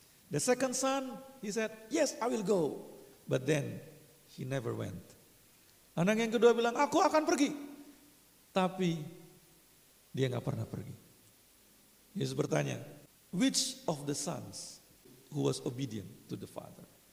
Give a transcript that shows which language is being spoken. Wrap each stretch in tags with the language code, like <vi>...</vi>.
<en>The second son, he said, yes, I will go. But then he never went.</en> <id>Anak yang kedua bilang, aku akan pergi. Tapi dia enggak pernah pergi. Yesus bertanya,</id> <en>which of the sons who was obedient to the father?</en>